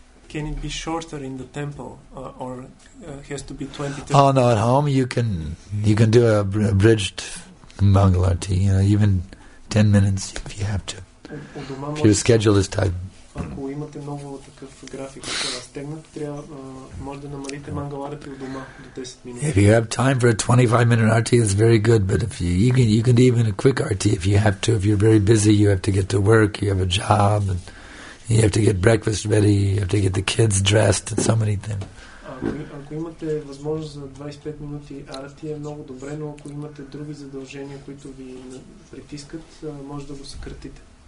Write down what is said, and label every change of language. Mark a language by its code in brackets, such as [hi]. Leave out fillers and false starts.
[en] Can it be shorter in the temple, or has to be 20? Oh no! At home, you can do a abridged mangalarti. You know, even 10 minutes if you have to. If your schedule is tight. [bg] Ако имате много такъв график, който разтегнат, трябва може да намалите мангаларите от дома до 10 минути. [en] If you have time for a 25-minute RT, it's very good, but if you can do even a quick RT if you have to. If you're very busy, you have to get to work, you have a job, and you have to get breakfast ready, you have to get the kids dressed, and so many things. [bg] Ако имате възможност за 25 минути RT, е много добре, но ако имате други задължения, които ви притискат, може да го съкратите.